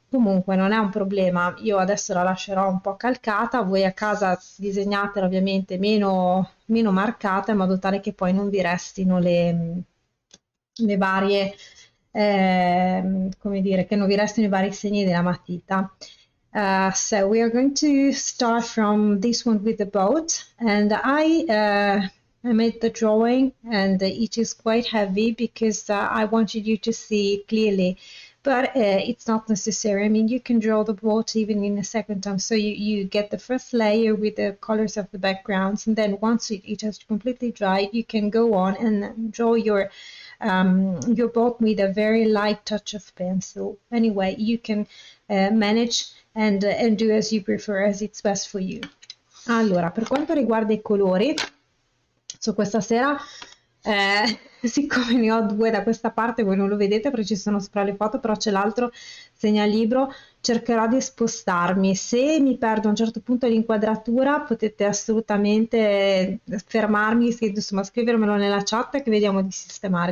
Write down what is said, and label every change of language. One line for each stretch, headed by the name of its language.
Italian: Comunque non è un problema, io adesso la lascerò un po' calcata, voi a casa disegnatela ovviamente meno marcata in modo tale che poi non vi restino le varie, come dire, che non vi restino i vari segni della matita.
English: So we are going to start from this one with the boat, and I made the drawing, and it is quite heavy because I wanted you to see it clearly, but it's not necessary. I mean, you can draw the boat even in a second time. So you get the first layer with the colors of the backgrounds, and then once it has completely dried, you can go on and draw your boat with a very light touch of pencil. Anyway, you can manage and do as you prefer, as it's best for you.
Italian: Allora, per quanto riguarda i colori, so questa sera, siccome ne ho due da questa parte, voi non lo vedete perché ci sono sopra le foto, però c'è l'altro segnalibro, cercherò di spostarmi. Se mi perdo a un certo punto l'inquadratura, potete assolutamente fermarmi, insomma, scrivermelo nella chat che vediamo di sistemare.